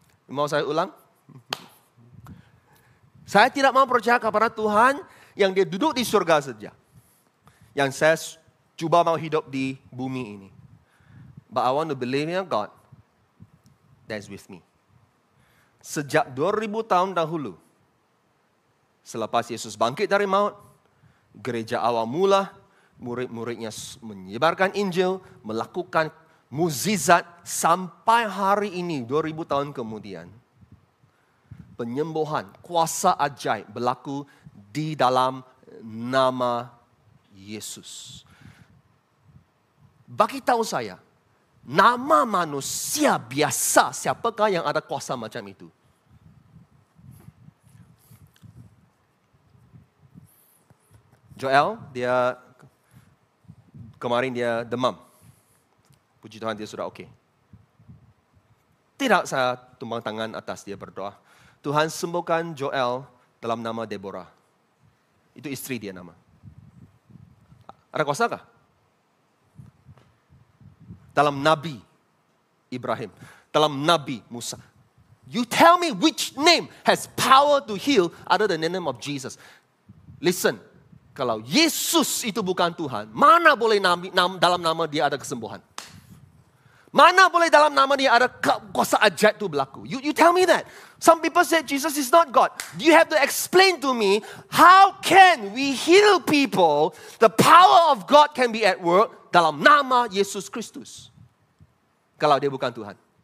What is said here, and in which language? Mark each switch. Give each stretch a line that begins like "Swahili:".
Malay: Mau saya ulang? Saya tidak mau percaya kepada Tuhan yang dia duduk di surga saja. Yang saya cuba mau hidup di bumi ini.
English: But I want to believe in a God that is with me.
Malay: Sejak 2000 tahun dahulu, selepas Yesus bangkit dari maut, gereja awal mula, murid-muridnya menyebarkan Injil, melakukan mukjizat sampai hari ini, 2000 tahun kemudian. Penyembuhan, kuasa ajaib berlaku di dalam nama Yesus. Bagi tahu saya, nama manusia biasa, siapakah yang ada kuasa macam itu? Joel, dia kemarin dia demam. Puji Tuhan dia sudah okay. Tidak saya tumpang tangan atas dia berdoa. Tuhan sembuhkan Joel dalam nama Deborah. Itu istri dia nama. Ada kuasa kah? Dalam nabi Ibrahim, dalam Nabi Musa.
English: You tell me which name has power to heal other than the name of Jesus. Listen,
Malay: kalau Yesus itu bukan Tuhan, mana boleh dalam nama dia ada kesembuhan? Mana boleh dalam nama dia ada kuasa ajaib itu berlaku?
English: You tell me that. Some people say Jesus is not God. You have to explain to me, how can we heal people, the power of God can be at work
Malay: dalam nama Yesus Kristus, kalau dia bukan Tuhan?